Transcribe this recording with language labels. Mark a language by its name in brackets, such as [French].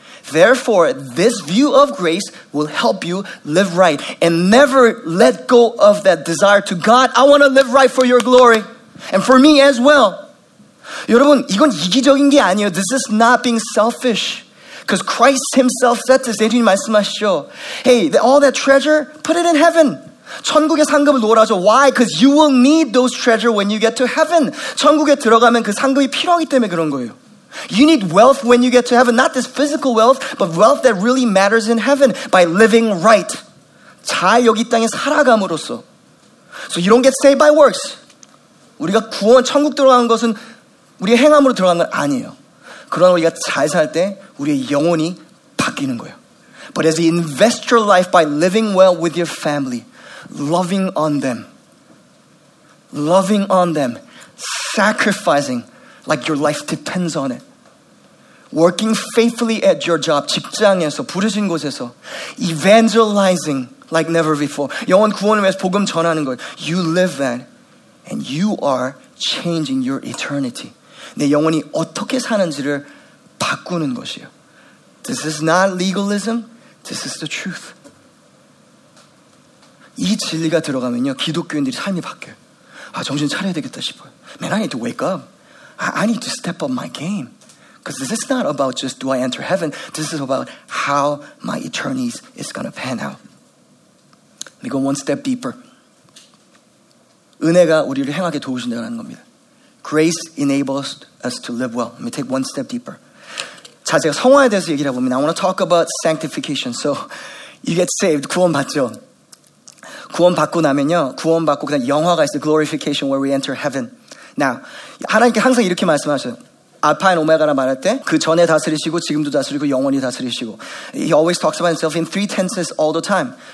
[English] Therefore, this view of grace will help you live right and never let go of that desire to God. I want to live right for your glory and for me as well. [Korean] 여러분, 이건 이기적인 게 아니에요. [English] This is not being selfish. Because Christ himself said this, [Korean] 예수님 말씀하시죠. [English] Hey, all that treasure, put it in heaven. [Korean] 천국의 상급을 놀아줘. [English] Why? Because you will need those treasure when you get to heaven. [Korean] 천국에 들어가면 그 상급이 필요하기 때문에 그런 거예요. [English] You need wealth when you get to heaven. Not this physical wealth, but wealth that really matters in heaven by living right. [Korean] 잘 여기 땅에 살아감으로써. [English] So you don't get saved by works. [Korean] 우리가 구원, 천국 들어가는 것은 우리의 행함으로 들어가는 건 아니에요. 그러나 우리가 잘 살 때 우리의 영혼이 바뀌는 거예요. [English] But as you invest your life by living well with your family, loving on them, sacrificing like your life depends on it, working faithfully at your job, [Korean] 직장에서, 부르신 곳에서, [English] evangelizing like never before, [Korean] 영혼 구원을 위해서 복음 전하는 것, [English] you live that and you are changing your eternity. [Korean] 내 영혼이 어떻게 사는지를 바꾸는 것이에요. [English] This is not legalism. This is the truth. [Korean] 이 진리가 들어가면요. 기독교인들이 삶이 바뀌어요. 아, 정신 차려야 되겠다 싶어요. [English] Man, I need to wake up. I need to step up my game. Because this is not about just do I enter heaven. This is about how my eternity is going to pan out. Let me go one step deeper. [Korean] 은혜가 우리를 행하게 도우신다는 겁니다. [English] Grace enables us to live well. Let me take one step deeper. [Korean] 자, 제가 성화에 대해서 얘기를 해봅니다. [English] I want to talk about sanctification. So, you get saved, [Korean] 구원받죠. 구원받고 나면요, 구원받고 그냥 영화가 있어요. [English] Glorification, where we enter heaven. [Korean] Now, 하나님께 항상 이렇게 말씀하세요. 알파인 오메가라 말할 때, 그 전에 다스리시고, 지금도 다스리고, 영원히 다스리시고. [English] He always talks about himself in three tenses all the time.